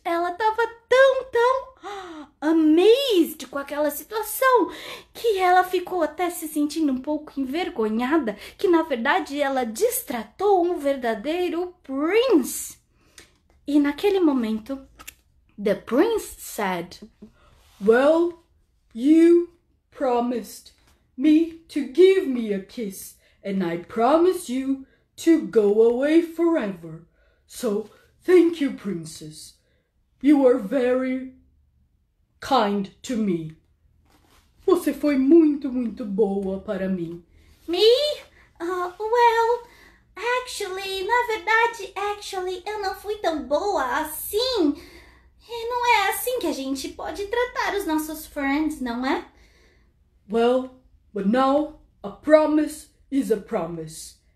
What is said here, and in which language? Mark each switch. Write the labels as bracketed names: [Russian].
[Portuguese] Ela tava tão [English] amazed [Portuguese] com aquela situação que ela ficou até se sentindo um pouco envergonhada, que na verdade ela destratou verdadeiro prince. E naquele momento, [English] the prince said, well, you promised me to give me a kiss, and I promised you to go away forever. So, thank you, princess. You are very kind to me. [Portuguese] Você foi muito, muito boa para mim. [English] Me? [Portuguese] Well, na verdade, eu não fui tão boa assim. E não é assim que a gente pode tratar os nossos friends, não é? [English] Well, but now a promise is a promise.